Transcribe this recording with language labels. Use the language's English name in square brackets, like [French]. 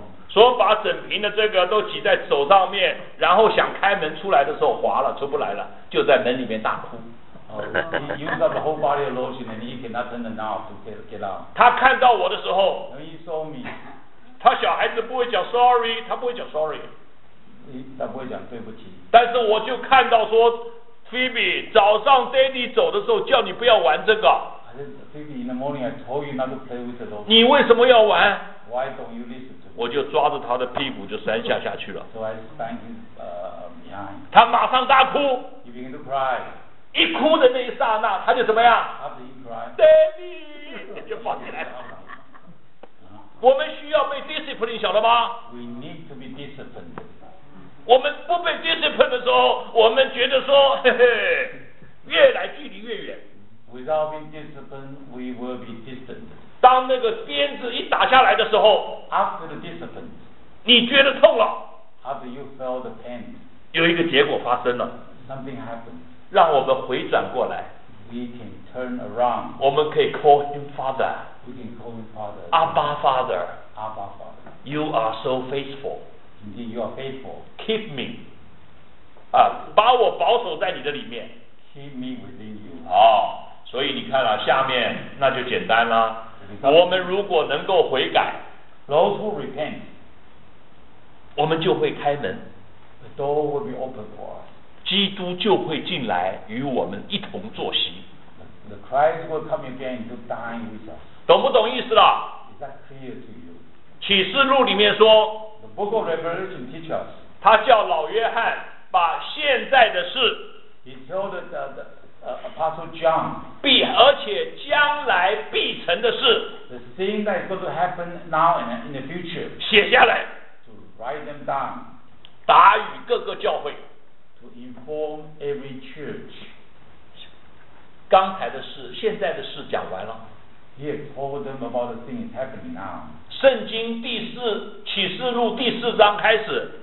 [Chinese] 说把整瓶的这个都挤在手上面，然后想开门出来的时候滑了，出不来了，就在门里面大哭。 [English] He used up the whole body of lotion and he cannot turn the knob to get out. [Chinese] 他看到我的时候 [English] ，When he saw me， [Chinese] 他小孩子不会讲 sorry， 他不会讲 sorry。他不会讲对不起，但是我就看到说 Phoebe 早上 Daddy 走的时候叫你不要玩这个。 [English] Phoebe in the morning I told you not to play with the dog. [Chinese] 你为什么要玩？ [English] Why don't you listen to me? [Chinese] 我就抓着他的屁股就扇下下去了。 [English] So I stand him behind. [Chinese] 他马上大哭。 [English] He began to cry. [Chinese] 一哭的那一刹那他就怎么样？ [English] After he cried, [Chinese] Daddy 就放起来了。我们需要被 discipline 晓得吗？ [English] We need to be disciplined. [Chinese] 我们不被 discipline 的时候，我们觉得说，嘿嘿，越来距离越远。 [English] Without being disciplined, we will be distant. [Chinese] 当那个鞭子一打下来的时候 [English] ，After the discipline, [Chinese] 你觉得痛了。 [English] After you felt the pain, [Chinese] 有一个结果发生了。 [English] Something happened. [Chinese] 让我们回转过来。 [English] We can turn around. [Chinese] 我们可以 [English] call him father. We can call him father. Abba Father. Abba Father. You are so faithful. Indeed, you are faithful. Keep me. [Chinese] 把我保守在你的里面。 [English] Keep me within you. [Chinese] 好，所以你看啊，下面那就简单了。我们如果能够悔改 [English] ，Those who repent， [Chinese] 我们就会开门。 [English] The door will be open for us. [Chinese] 基督就会进来与我们一同坐席。 [English] The Christ will come again to dine with us. [Chinese] 懂不懂意思了 [English] ？Is that clear to you? [Chinese] 启示录里面说。 [English] Book of Revelation teaches. [Chinese] 他叫老约翰把现在的事 [English] ，He told the Apostle John， [Chinese] 必而且将来必成的事 [English] ，The thing that is going to happen now and in the future， [Chinese] 写下来 [English] ，To write them down， [Chinese] 打与各个教会 [English] ，To inform every church。 [Chinese] 刚才的事，现在的事讲完了。 [English] He has told them about the thing that's happening now. [Chinese] 圣经第四启示录第四章开始。